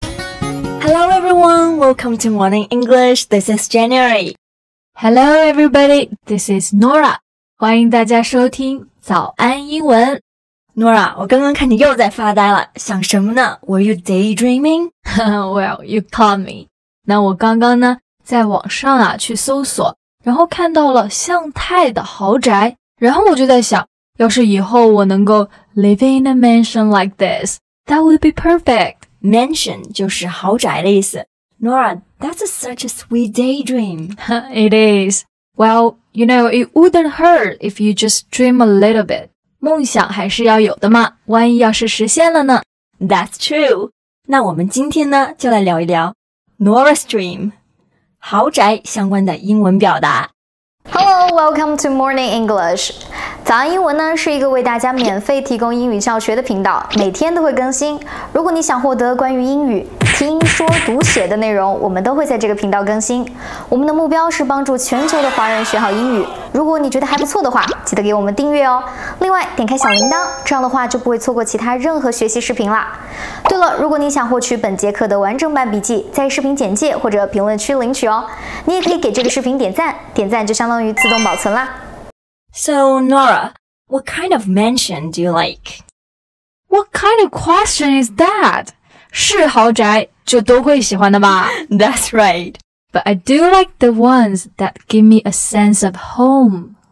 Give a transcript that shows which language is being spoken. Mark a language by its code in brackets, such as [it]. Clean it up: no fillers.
[en] Hello everyone, welcome to Morning English, this is January. Hello everybody, this is Nora. [zh] 欢迎大家收听早安英文。 Nora, 我刚刚看你又在发呆了，想什么呢？ [en] Were you daydreaming? Well, you caught me. [zh] 那我刚刚呢，在网上啊去搜索，然后看到了向太的豪宅，然后我就在想，要是以后我能够 [en] live in a mansion like this, that would be perfect. Mansion [zh] 就是豪宅的意思。 [en] Nora, that's such a sweet daydream. It is. Well, you know, it wouldn't hurt if you just dream a little bit. [zh] 梦想还是要有的嘛，万一要是实现了呢？ [en] That's true. [zh] 那我们今天呢，就来聊一聊 Nora's Dream, 豪宅相关的英文表达。 [en] Hello, welcome to Morning English. [zh] 早安英文呢，是一个为大家免费提供英语教学的频道，每天都会更新。如果你想获得关于英语听说读写的内容，我们都会在这个频道更新。我们的目标是帮助全球的华人学好英语。如果你觉得还不错的话，记得给我们订阅哦。另外，点开小铃铛，这样的话就不会错过其他任何学习视频啦。对了，如果你想获取本节课的完整版笔记，在视频简介或者评论区领取哦。你也可以给这个视频点赞，点赞就相当于自动保存啦。 [en] So, Nora, what kind of mansion do you like? What kind of question is that? [zh] 是豪宅就都会喜欢的吧 [en] That's right. But I do like the ones that give me a sense of home.